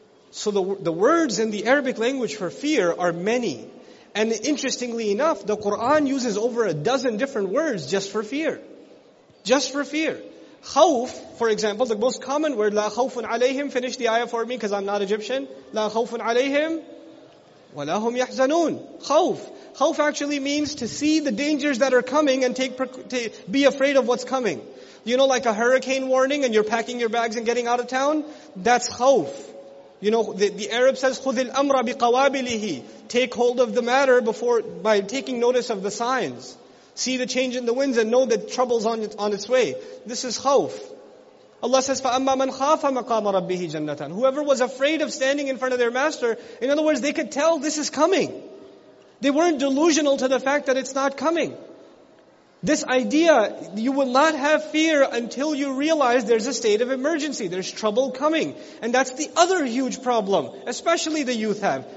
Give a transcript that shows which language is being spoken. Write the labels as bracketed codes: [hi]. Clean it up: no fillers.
[en] So the words in the Arabic language for fear are many. And interestingly enough, the Quran uses over a dozen different words just for fear. Just for fear. Khawf, for example, the most common word, [ar] لا خوف عليهم, [en] finish the ayah for me because I'm not Egyptian. [ar] لا خوف عليهم ولا هم يحزنون. Khawf. [en] Khawf actually means to see the dangers that are coming and be afraid of what's coming. You know, like a hurricane warning and you're packing your bags and getting out of town? That's khawf. You know, the Arab says, [ar] خُذِ الْأَمْرَ بِقَوَابِلِهِ. [en] Take hold of the matter by taking notice of the signs. See the change in the winds and know that trouble's on its way. This is khawf. Allah says, [ar] فَأَمَّا مَنْ خَافَ مَقَامَ رَبِّهِ جَنَّةً. [en] Whoever was afraid of standing in front of their master, in other words, they could tell this is coming. They weren't delusional to the fact that it's not coming. This idea, you will not have fear until you realize there's a state of emergency. There's trouble coming. And that's the other huge problem, especially the youth have.